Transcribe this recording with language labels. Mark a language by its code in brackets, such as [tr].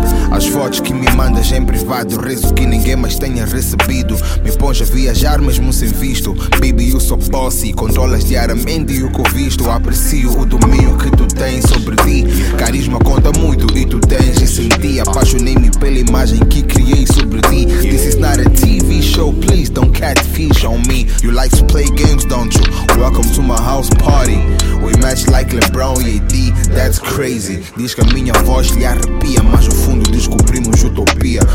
[pt] As fotos que me mandas em privado, rezo que ninguém mais tenha recebido. Me pões a viajar mesmo sem visto. Baby, eu sou posse, controlas diariamente o que eu visto. Aprecio o domínio que tu tens sobre ti. Carisma conta muito e tu tens e senti. Apaixonei-me pela imagem que criei sobre ti. [en] This is not a TV show, please don't catfish on me. You like to play games, don't you? Welcome to my house party. We match like LeBron e AD, that's crazy. [pt] Diz que a minha voz lhe arrepia, mas no fundo descobrimos utopia.